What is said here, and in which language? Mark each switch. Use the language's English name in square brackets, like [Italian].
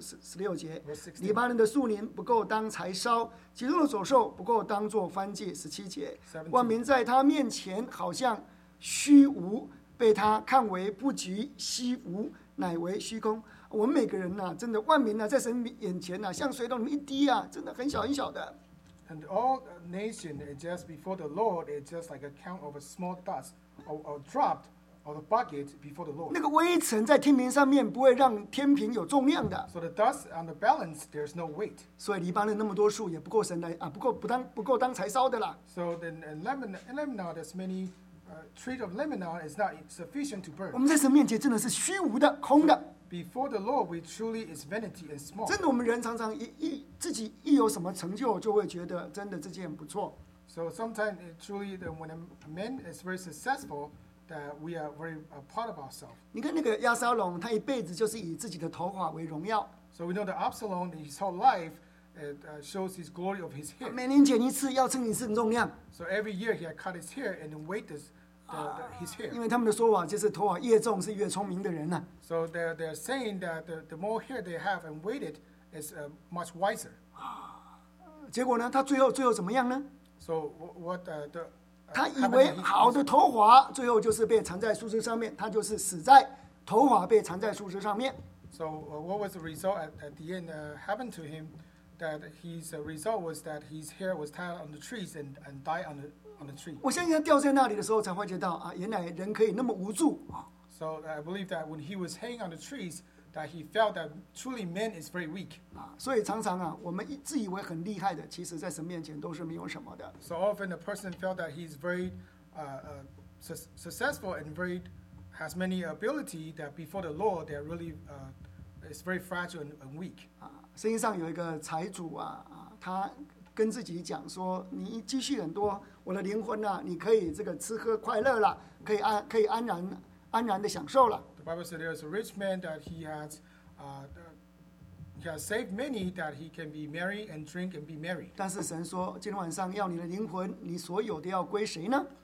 [Chinese] 十六节，黎巴嫩的树林不够当柴烧，其中的走兽不够当作燔祭。十七节，万民在他面前好像虚无，被他看为不及虚无，乃为虚空。我们每个人呐、啊，真的万民呐、啊，在神眼前呐、啊，像水桶里面一滴啊，真的很小很小的。 [English] And all nations just before the Lord is just like a count of a small dust. Or dropped or the bucket before the Lord. [Chinese] 那个微尘在天平上面不会让天平有重量的。 [English] So the dust on the balance, there's no weight. [Chinese] 所以黎巴嫩那么多树也不够神来啊，不够不当不够当柴烧的啦。 [English] So then Lebanon, there's many trees of Lebanon is not sufficient to burn. [Chinese] 我们在神面前真的是虚无的、空的。 [English] Before the Lord, we truly is vanity and small. [Chinese] 真的，我们人常常自己一有什么成就，就会觉得真的自己很不错。 [English] So sometimes it truly that when a man is very successful, that we are very proud of ourselves. [Chinese] 你看那个亚撒龙，他一辈子就是以自己的头发为荣耀。 [English] So we know that Absalom, his whole life, it shows his glory of his hair. [Chinese] 每年剪一次，要称一次重量。 [English] So every year he had cut his hair and weighed his hair. [Chinese] 因为他们的说法就是头发越重是越聪明的人呐。 [English] So they're saying that the more hair they have and weighted is much wiser. [Chinese] 结果呢，他最后怎么样呢？ [English] So what the [Chinese] 他以为好的头发，最后就是被缠在树枝上面，他就是死在头发被缠在树枝上面。 [English] So what was the result at the end happened to him? That his result was that his hair was tied on the trees and died on the tree. [Chinese] 我相信他掉在那里的时候才发觉到啊，原来人可以那么无助啊。 [English] So I believe that when he was hanging on the trees, that he felt that truly man is very weak. [Chinese] 所以常常啊，我们自以为很厉害的，其实在神面前都是没有什么的。 [English] So often a person felt that he's very successful and very has many ability that before the Lord they're really is very fragile and weak. [Chinese] 圣经上有一个财主啊，他跟自己讲说，你积蓄很多，我的灵魂啊，你可以这个吃喝快乐了，可以安然的享受了。 [English] The Bible says there is a rich man that he has saved many that he can be merry and drink and be merry. [Chinese] 但是神说，今天晚上要你的灵魂，你所有的要归谁呢